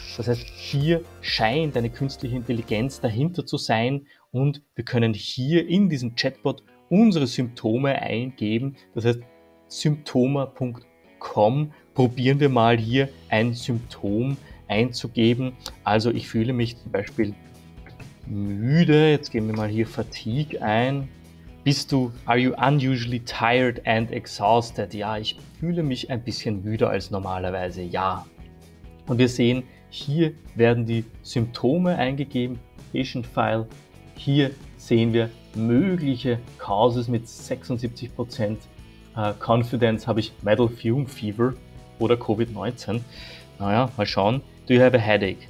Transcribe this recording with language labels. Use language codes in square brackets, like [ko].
[de] Das heißt, hier scheint eine künstliche Intelligenz dahinter zu sein und wir können hier in diesem Chatbot unsere Symptome eingeben. Das heißt, symptoma.com, probieren wir mal hier ein Symptom einzugeben. Also ich fühle mich zum Beispiel müde, jetzt geben wir mal hier Fatigue ein. Bist du, [en] are you unusually tired and exhausted? [de] Ja, ich fühle mich ein bisschen müder als normalerweise, ja. Und wir sehen, hier werden die Symptome eingegeben, Patient File. Hier sehen wir mögliche Causes mit 76% Confidence, habe ich Metal Fume Fever oder Covid-19. Naja, mal schauen. [en] Do you have a headache?